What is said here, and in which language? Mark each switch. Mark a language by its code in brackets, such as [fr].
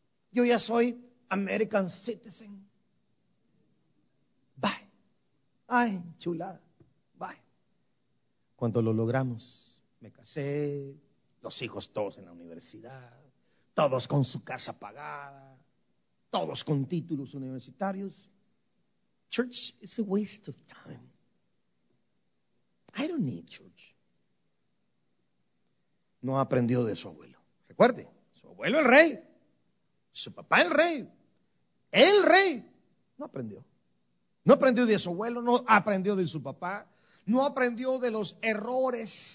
[es] Yo ya soy [en] American citizen. [es] Bye. Ay, chulada. Bye. Cuando lo logramos, me casé, los hijos todos en la universidad, todos con su casa pagada, todos con títulos universitarios. [en] Church is a waste of time. I don't need church. [es] No aprendió de su abuelo. Recuerde. Abuelo el rey, su papá el rey, no aprendió. No aprendió de su abuelo, no aprendió de su papá, no aprendió de los errores.